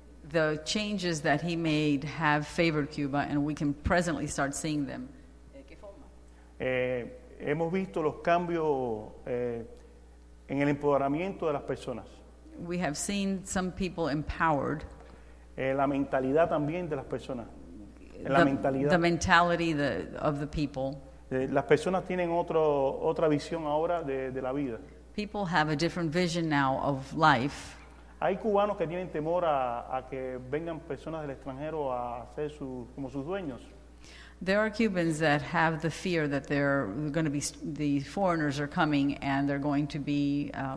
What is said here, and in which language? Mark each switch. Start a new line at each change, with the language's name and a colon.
English: The changes that he made have favored Cuba and we can presently start seeing them.
Spanish: ¿Qué forma? Hemos visto los cambios en el empoderamiento de las personas.
English: We have seen some people empowered.
Spanish: La mentalidad también de las personas.
English: The mentality of the people.
Spanish: Las personas tienen otra visión ahora de la vida.
English: People have a different vision now of life.
Spanish: Hay cubanos que tienen temor a que vengan personas del extranjero a ser como sus dueños.
English: There are Cubans that have the fear that they're going to be, the foreigners are coming and they're going to be,